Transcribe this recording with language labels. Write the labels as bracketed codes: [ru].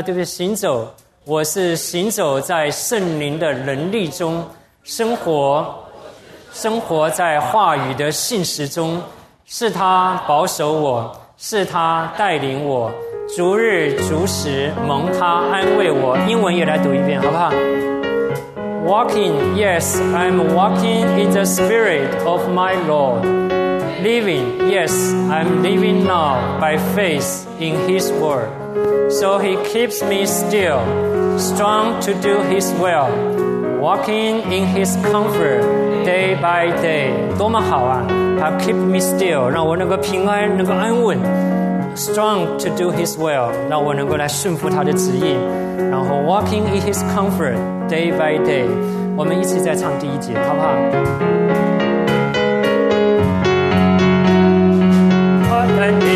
[zh] 对不对，行走，我是行走在圣灵的能力中，生活在话语的信实中，是他保守我，是他带领我，逐日逐时蒙他安慰我。英文也来读一遍好不好？ [en] Walking, yes, I'm walking in the spirit of my Lord. Living, yes, I'm living now by faith in His word. So He keeps me still, strong to do His will. Walking in His comfort day by day. [zh] 多么好啊！他 [en] keep me still, [zh] 让我能够平安，能够安稳。 [en] Strong to do His will, [zh] 让我能够来顺服他的旨意。然后 [en] walking in His comfort. Day by day， [zh] 我们一起再唱第一节，好不好？